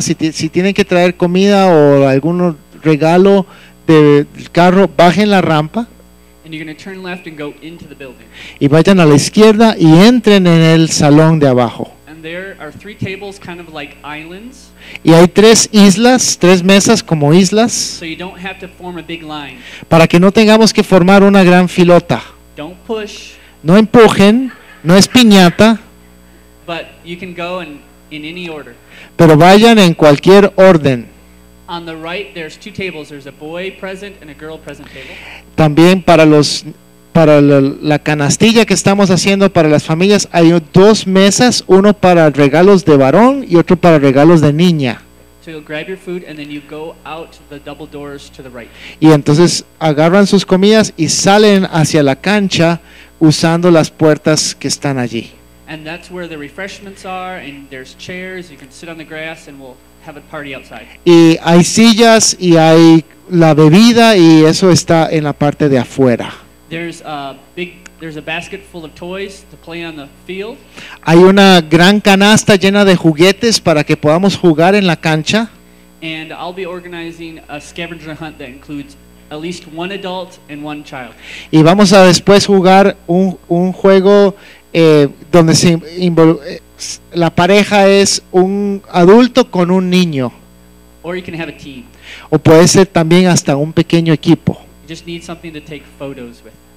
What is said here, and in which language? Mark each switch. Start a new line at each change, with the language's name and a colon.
Spanish: Si tienen que traer comida o algún regalo del carro, bajen la rampa.
English: And you're going to turn left and go into the building.
Spanish: Y vayan a la izquierda y entren en el salón de abajo.
English: And there are three tables, kind of like islands.
Spanish: Y hay tres islas, tres mesas como islas.
English: So you don't have to form a big line.
Spanish: Para que no tengamos que formar una gran filota.
English: Don't push.
Spanish: No empujen, no es piñata.
English: But you can go in any order.
Spanish: Pero vayan en cualquier orden.
English: On the right, there's two tables. There's a boy present and a girl present table.
Spanish: También para la canastilla que estamos haciendo para las familias, hay dos mesas, uno para regalos de varón y otro para regalos de niña.
English: So you'll grab your food and then you go out the double doors to the right.
Spanish: Y entonces agarran sus comidas y salen hacia la cancha usando las puertas que están allí.
English: And that's where the refreshments are, and there's chairs, you can sit on the grass and we'll have a party outside.
Spanish: Y hay sillas y hay la bebida y eso está en la parte de afuera.
English: There's a basket full of toys to play on the field.
Spanish: Hay una gran canasta llena de juguetes para que podamos jugar en la cancha.
English: And I'll be organizing a scavenger hunt that includes at least one adult and one child.
Spanish: Y vamos a después jugar un juego donde la pareja es un adulto con un niño.
English: Or you can have a team.
Spanish: O puede ser también hasta un pequeño equipo.
English: You just need something to take photos with.